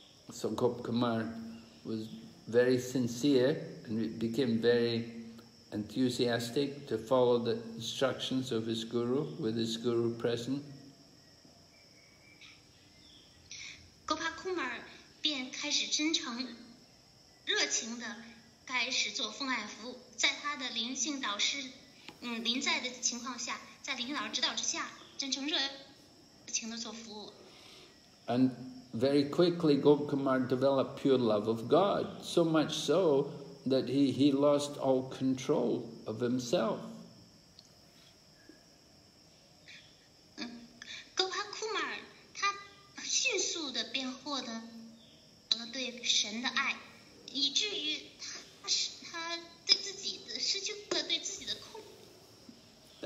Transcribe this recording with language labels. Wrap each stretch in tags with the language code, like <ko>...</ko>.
<en>So Gopakumar was very sincere and became very enthusiastic to follow the instructions of his guru with his guru present.</en> <zh>Gopakumar 便开始真诚热情地开始做奉爱服务，在他的灵性导师临在的情况下，在领导指导之下，真诚热情地做服务。</zh> <en>And very quickly, Gopakumar developed pure love of God, so much so that he lost all control of himself.</en> <zh>Gopakumar 他迅速地便获得了对神的爱，以至于他对自己的失去了对自己的控制。</zh>